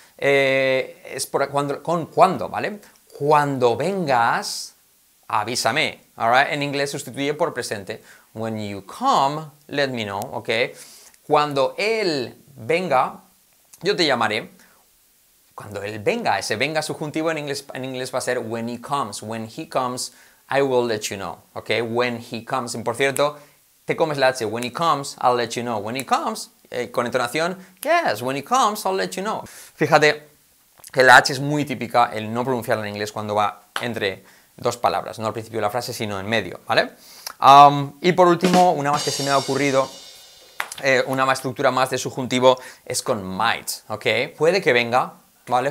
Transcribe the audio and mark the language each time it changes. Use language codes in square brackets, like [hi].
[es] Es por cuando, con cuando, ¿vale? Cuando vengas, avísame. [en] All right? [es] En inglés sustituye por presente. [en] When you come, let me know, [es] ¿ok? Cuando él venga, yo te llamaré. Cuando él venga, ese venga subjuntivo en inglés va a ser [en] when he comes. When he comes, I will let you know. ¿Ok? When he comes. [es] Y por cierto, te comes la H. [en] When he comes, I'll let you know. When he comes, [es] con entonación, [en] yes, when he comes, I'll let you know. [es] Fíjate que la H es muy típica el no pronunciarla en inglés cuando va entre dos palabras. No al principio de la frase, sino en medio. ¿Vale? Y por último, una más que se me ha ocurrido. Una más estructura más de subjuntivo es con might, ¿ok? Puede que venga, ¿vale?